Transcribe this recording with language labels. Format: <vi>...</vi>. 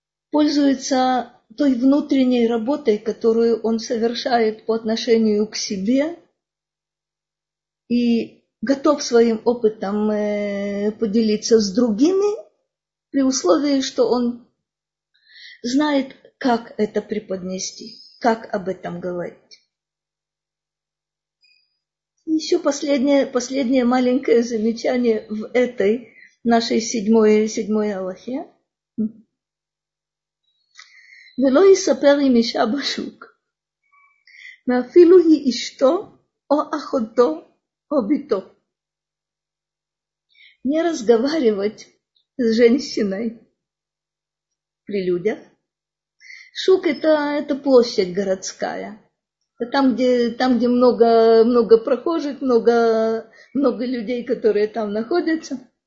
<ru>пользуется той внутренней работой, которую он совершает по отношению к себе и готов своим опытом поделиться с другими при условии, что он знает, как это преподнести, как об этом говорить. Еще последнее маленькое замечание в этой нашей седьмой алахе.</ru> <he>ולא יספר עם אישה בשוק, ואפילו היא אשתו או אחותו או ביתו.</he> <ru>Не разговаривать с женщиной при людях. Шук – это площадь городская. Там, где много прохожих, много людей, которые там находятся.</ru>